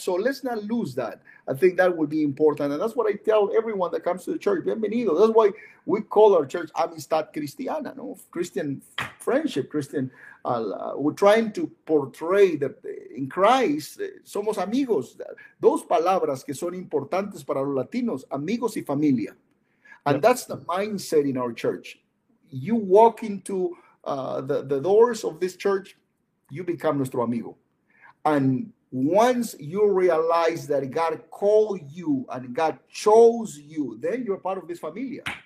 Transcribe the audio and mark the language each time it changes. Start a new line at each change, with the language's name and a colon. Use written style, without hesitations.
English: So let's not lose that. I think that would be important. And that's what I tell everyone that comes to the church. Bienvenido. That's why we call our church Amistad Cristiana, no? Christian friendship, Christian. We're trying to portray that in Christ,
Spanish: somos amigos. Those palabras que son importantes para los latinos, amigos y familia.
English: And that's the mindset in our church. You walk into the doors of this church, you become
Spanish: nuestro amigo.
English: And once you realize that God called you and God chose you, then you're part of this familia.